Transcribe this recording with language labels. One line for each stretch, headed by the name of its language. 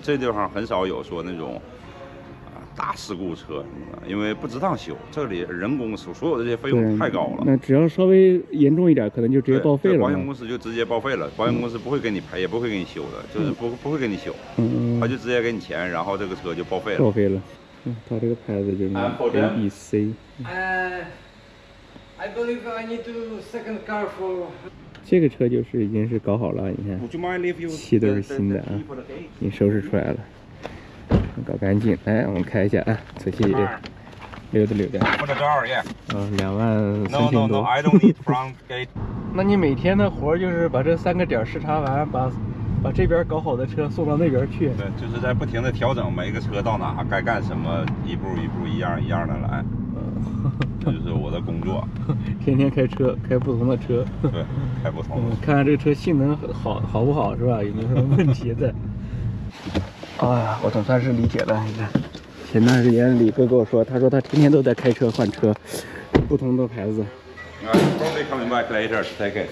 Chinese: 这地方很少有说那种大事故车什么的，因为不值当修，这里人工所有的这些费用太高了。那只要稍微严重一点，可能就直接报废了。保险公司就直接报废了，保险公司不会给你赔，也不会给你修的，就是不会给你修，他就直接给你钱，然后这个车就报废了。报废了，他这个牌子就是 ABC。
English: I believe I need to second car for。
Chinese: 这个车就是已经是搞好了，你看，漆都是新的啊，你收拾出来了。搞干净，来，我们开一下啊，仔细溜达溜达。 23,000多。
English: No, I don't need front gate.
Chinese: 那你每天的活就是把这三个点视察完，把这边搞好的车送到那边去。对，就是在不停的调整每一个车到哪该干什么，一步一步一样一样的来。这就是我的工作。天天开车，开不同的车。对，开不同的。看看这车性能好不好是吧？有没有什么问题的？哎呀，我总算是理解了。你看，前段时间李哥跟我说，他说他天天都在开车换车，不同的牌子。
English: Probably coming back later to take it.